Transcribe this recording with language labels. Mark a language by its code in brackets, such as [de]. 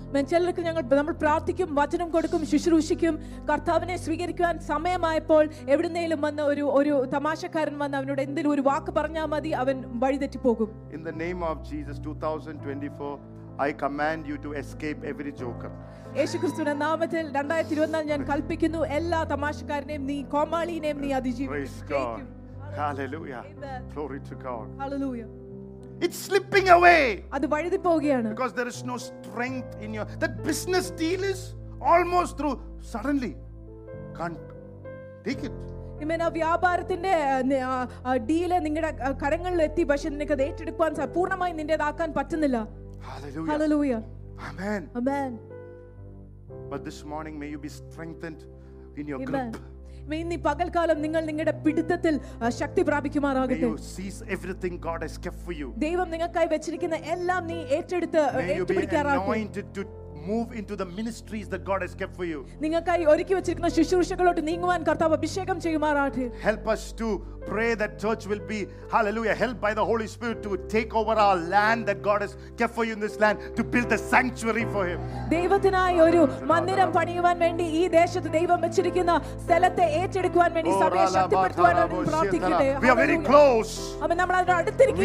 [ml] മെഞ്ചലർക്ക് ഞങ്ങൾ നമ്മൾ പ്രാർത്ഥിക്കും, വചനം കൊടുക്കും, ശുശ്രൂഷിക്കും, കർത്താവിനെ സ്വീകരിക്കുവാൻ സമയമായപ്പോൾ എവിടുന്നെങ്കിലും വന്ന ഒരു ഒരു തമാശക്കാരൻ വന്ന് അവനോട് എന്തെങ്കിലും ഒരു വാക്ക് പറഞ്ഞാൽ മതി, അവൻ വഴിതെറ്റി പോകും. [en] In the name of Jesus 2024, I command you to escape every joker. [ml] യേശുക്രിസ്തുവിന്റെ നാമത്തിൽ 2024 ഞാൻ കൽപ്പിക്കുന്നു, എല്ലാ തമാശക്കാരനെയും നീ കോമാളിയെയും നീ അതിജീവിക്കും. Hallelujah. [en] Amen. Glory to God. Hallelujah. It's slipping away. [ml] അതു വഴുതി പോവുകയാണ്. [en] Because there is no strength in your, that business deal is almost through, suddenly can't take it. [ml] ഇമേനാ വ്യാപാരത്തിന്റെ deal നിങ്ങളുടെ കരങ്ങളിൽ എത്തി, പക്ഷെ നിനക്ക് അത് ഏറ്റെടുക്കാൻ പൂർണ്ണമായി നിന്റേതാക്കാൻ പറ്റുന്നില്ല. [en] Hallelujah. Hallelujah. Amen. Amen. But this morning may you be strengthened in your grip. [ml] May ഇനി പകൽക്കാലം നിങ്ങൾ നിങ്ങളുടെ പിടുത്തത്തിൽ ശക്തി പ്രാപിക്കുമാറാകട്ടെ. [en] May you seize everything God has kept for you. [ml] ദൈവം നിങ്ങൾക്കായി വെച്ചിരിക്കുന്ന എല്ലാം നീ ഏറ്റെടുത്ത് ഏറ്റെടുക്കാറാകട്ടെ. [en] Move into the ministries that God has kept for you. [ml] നിങ്ങൾക്കായി ഒരുക്കി വെച്ചിരിക്കുന്ന ശുശ്രൂഷകളോട് നീങ്ങുവാൻ കർത്താവ് അഭിഷേകം ചെയ്യുമാറാകട്ടെ. [en] Help us to pray that church will be, hallelujah, helped by the Holy Spirit to take over our land that God has kept for you in this land, to build the sanctuary for him. [ml] ദൈവത്തിനായി ഒരു മന്ദിരം പണിയുവാൻ വേണ്ടി ഈ ദേശത്തെ ദൈവം വെച്ചിരിക്കുന്ന സ്ഥലത്തെ ഏറ്റെടുക്കുവാൻ വേണ്ടി സഭയെ ശക്തിപ്പെടുത്തുവാനും പ്രാർത്ഥിക്കട്ടെ. [en] We are very close. [ml] അമ്മ നമ്മൾ അതിന് അടുത്തിരിക്കുകയാണ്.